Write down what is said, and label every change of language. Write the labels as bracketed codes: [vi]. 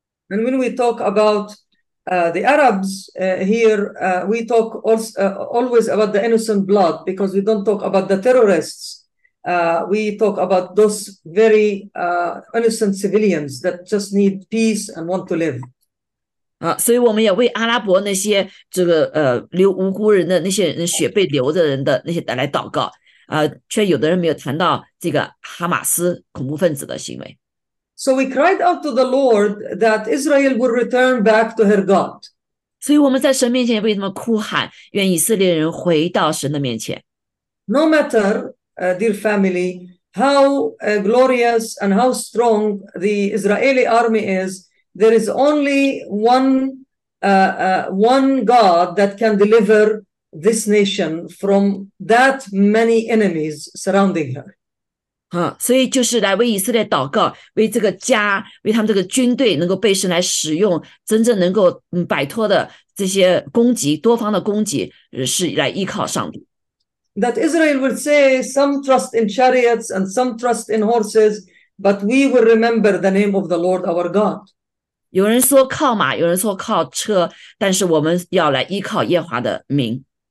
[en] And when we talk about the Arabs here, we talk always about the innocent blood because we don't talk about the terrorists. We talk about those very innocent civilians that just need peace and want to live. [zh] 所以我们也为阿拉伯那些这个流无辜人的那些人血被流的人的那些来祷告，却有的人没有谈到这个哈马斯恐怖分子的行为。 [en] So we cried out to the Lord that Israel would return back to her God. [zh] 所以我们在神面前为他们哭喊，愿以色列人回到神的面前。 [en] No matter, dear family, how glorious and how strong the Israeli army is, there is only one God that can deliver this nation from that many enemies surrounding her. [zh] 所以就是来为以色列祷告，为这个家，为他们这个军队能够被神来使用，真正能够摆脱的这些攻击，多方的攻击，是来依靠上帝。 [en] That Israel will say some trust in chariots and some trust in horses, but we will remember the name of the Lord our God. [zh] 有人说靠马，有人说靠车，但是我们要来依靠耶和华的名。